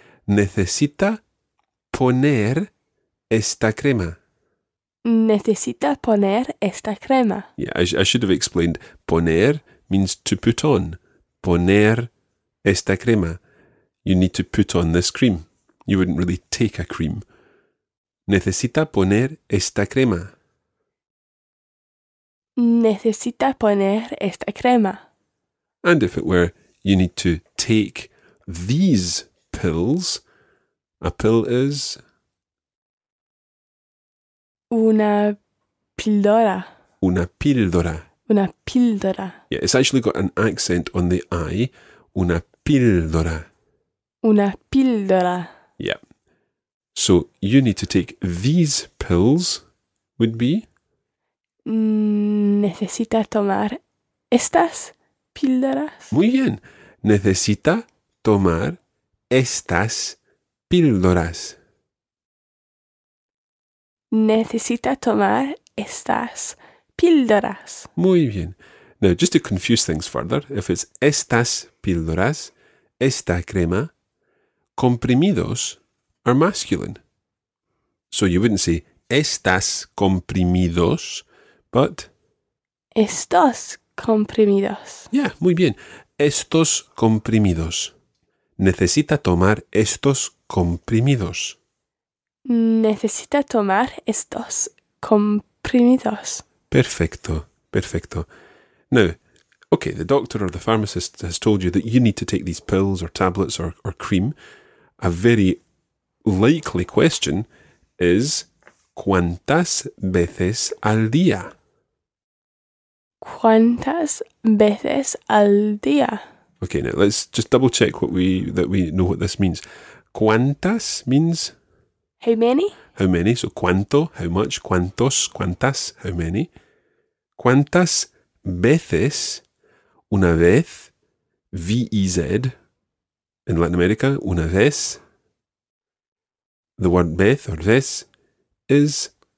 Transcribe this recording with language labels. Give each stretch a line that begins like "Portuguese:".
Spanish: Necesita poner esta crema. Necesita poner esta crema.
English: Yeah, I should have explained. Poner means to put on.
Spanish: Poner esta crema.
English: You need to put on this cream. You wouldn't really take a cream.
Spanish: Necesita poner esta crema. Necesita poner esta crema.
English: And if it were, you need to take these pills, a pill is...
Spanish: Una píldora. Una píldora. Una píldora.
English: Yeah, it's actually got an accent on the I.
Spanish: Una píldora. Una píldora.
English: Yeah. So, you need to take these pills would be...
Spanish: Necesita tomar estas píldoras. Muy bien. Necesita tomar estas píldoras. Necesita tomar estas píldoras. Muy bien.
English: Now, just to confuse things further, if it's
Spanish: estas píldoras, esta crema,
English: comprimidos are masculine. So you wouldn't say
Spanish: estas comprimidos,
English: but...
Spanish: Estos comprimidos. Yeah, muy bien. Estos comprimidos. Necesita tomar estos comprimidos. Necesita tomar estos comprimidos. Perfecto, perfecto.
English: Now, okay, the doctor or the pharmacist has told you that you need to take these pills or tablets or cream. A very likely question is,
Spanish: ¿cuántas veces al día? ¿Cuántas veces al día?
English: Okay, now let's just double check that we know what this means. ¿Cuántas means... How many? How many, so
Spanish: cuánto,
English: how much,
Spanish: cuántos, cuántas,
English: how many.
Spanish: ¿Cuántas veces, una vez,
English: V-E-Z, in Latin America,
Spanish: una vez?
English: The word vez or vez is